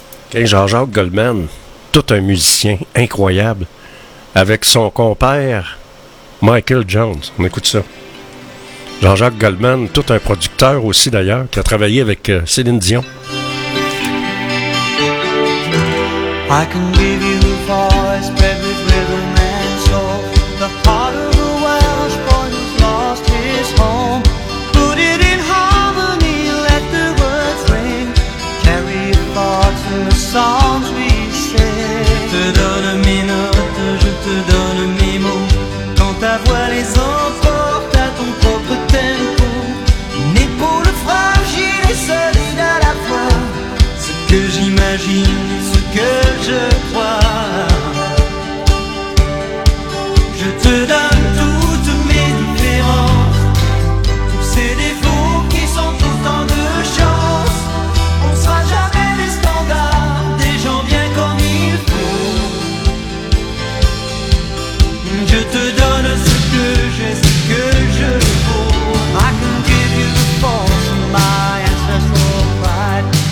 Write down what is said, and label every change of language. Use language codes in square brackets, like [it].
[fr] Okay, Jean-Jacques Goldman, tout un musicien incroyable, avec son compère, Michael Jones. On écoute ça. Jean-Jacques Goldman, tout un producteur aussi d'ailleurs, qui a travaillé avec Céline Dion. [en] I can give you a voice bred with rhythm and soul. The heart of a Welsh boy who's lost his home. Put it in harmony, let the words ring. Carry your thoughts in the songs we sing. [fr] Je te donne mes notes, je te donne mes mots. Quand ta voix les emporte à ton propre tempo. Une épaule fragile et solide à la fois. Ce que j'imagine, que je crois. Je te donne toutes mes différences, tous ces défauts qui sont autant de chance. On ne sera jamais les standards des gens bien comme il faut. Je te donne ce que j'ai, ce que je vaux. [en] I can give you the force of my ancestral pride.